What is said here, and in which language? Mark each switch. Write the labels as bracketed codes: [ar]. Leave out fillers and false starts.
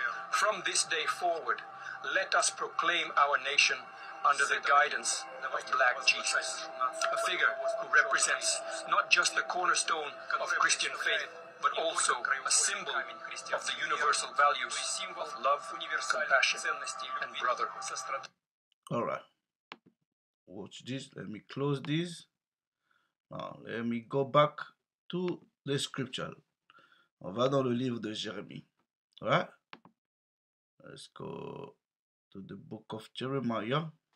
[en] From this day forward, let us proclaim our nation under the guidance of Black Jesus, a figure who represents not just the cornerstone of Christian faith, but also a symbol of the universal values of love, compassion, and brotherhood. All right. Watch this. Let me close this. Now, let me go back to the scripture. [fr] On va dans le livre de Jérémie. [en] All right. Let's go to the book of Jeremiah.